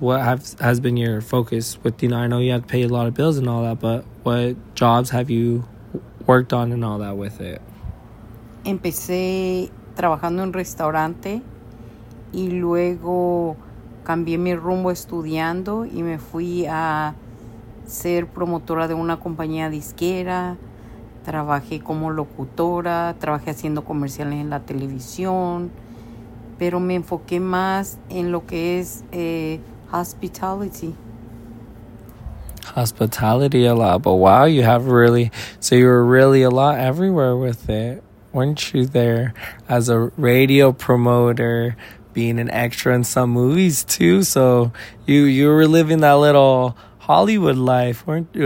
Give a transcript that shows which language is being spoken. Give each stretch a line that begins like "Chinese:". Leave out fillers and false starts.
English: What has been your focus with, you know, I know you have to pay a lot of bills and all that, but what jobs have you worked on and all that with it?
Spanish: Empecé trabajando en restaurante y luego... Cambié mi rumbo estudiando y me fui a ser promotora de una compañía disquera. Trabajé como locutora, trabajé haciendo comerciales en la televisión, pero me enfoqué más en lo que es hospitality.
English: Hospitality a lot, but wow, you have really, so you were really a lot everywhere with it. Weren't you there as a radio promoter? Being an extra in some movies too, so you were living that little Hollywood life, weren't you?